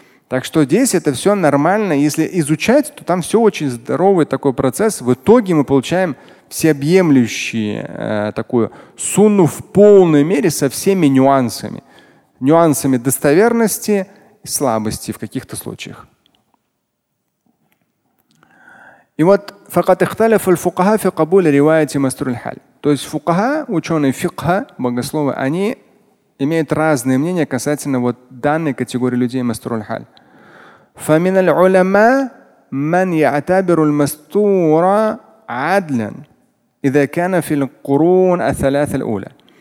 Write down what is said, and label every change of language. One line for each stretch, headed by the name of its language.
Russian: Так что здесь это все нормально. Если изучать, то там все очень здоровый такой процесс. В итоге мы получаем всеобъемлющую такую сунну в полной мере со всеми нюансами. Нюансами достоверности и слабости в каких-то случаях. И вот
Arabic: فَقَدْ اخْتَلَفُ الْفُقَهَا فِي قَبُولِ رِوَايَةِ مَسْتُرُ الْحَالِ.
Russian: То есть фукаха, ученые фикха, богословы, они имеют разные мнения касательно вот данной категории людей мастуру аль-халь.
Arabic: فَمِنَ الْعُلَمَا مَنْ يَعْتَبِرُ الْمَسْتُورَ عَدْلًا إِذَا كَانَ فِي الْقُرُونَ الثَّلَاثَ الْأُولَى.